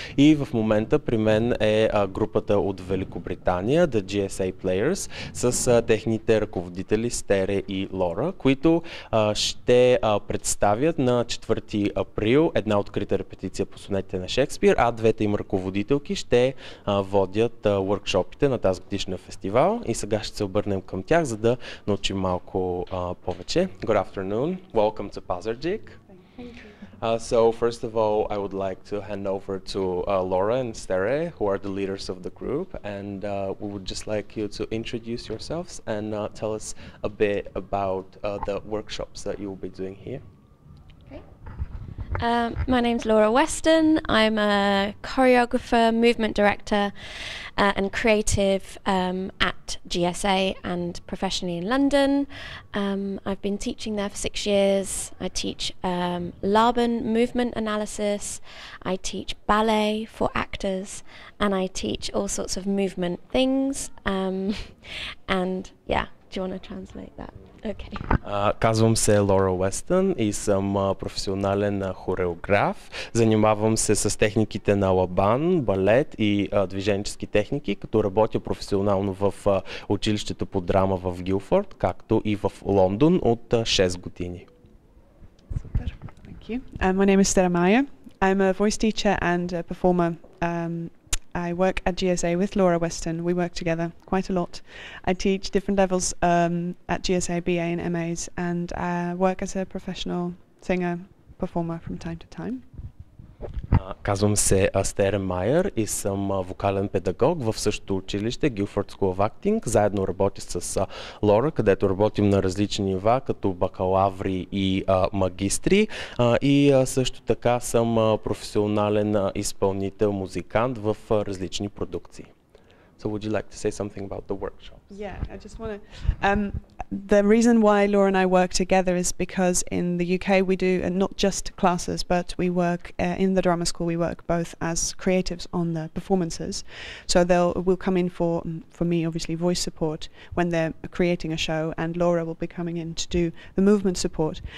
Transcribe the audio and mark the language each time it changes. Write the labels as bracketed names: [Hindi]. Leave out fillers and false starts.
[Bulgarian] И в момента при мен е групата от Великобритания, The GSA Players, с техните ръководители Стере и Лора, които ще представят на 4 април една открита репетиция по сонетите на Шекспир, а двете им ръководителки ще водят уркшопите на тази годишния фестивал. И сега ще се обърнем към тях, за да научим малко повече. [English] Good afternoon. Welcome to Pazarджик. So first of all, I would like to hand over to Laura and Stere, who are the leaders of the group, and we would just like you to introduce yourselves and tell us a bit about the workshops that you will be doing here. My name's Laura Weston. I'm a choreographer, movement director, and creative at GSA and professionally in London. I've been teaching there for 6 years. I teach Laban movement analysis. I teach ballet for actors, and I teach all sorts of movement things. And yeah, do you want to translate that? Okay. [Bulgarian] Казвам се Лора Уестън и съм професионален хореограф. Занимавам се с техниките на лабан, балет и движенчески техники, като работя професионално в училището по драма в Гилфорд, както и в Лондон от 6 години. [English] Супер. Thank you. My name is Stere Maya. I'm a voice teacher and a performer. I work at GSA with Laura Weston. We work together quite a lot. I teach different levels at GSA, BA and MAs, and I work as a professional singer, performer from time to time. [Bulgarian] Казвам се Стере Майер и съм вокален педагог в същото училище, Гилфорд School of Acting. Заедно работя с Лора, където работим на различни нива, като бакалаври и магистри. И също така съм професионален изпълнител, музикант в различни продукции. [English] So would you like to say something about the workshops? Yeah, I just want to... The reason why Laura and I work together is because in the UK we do not just classes, but we work in the drama school, we work both as creatives on the performances. So we'll come in for me, obviously, voice support when they're creating a show, and Laura will be coming in to do the movement support.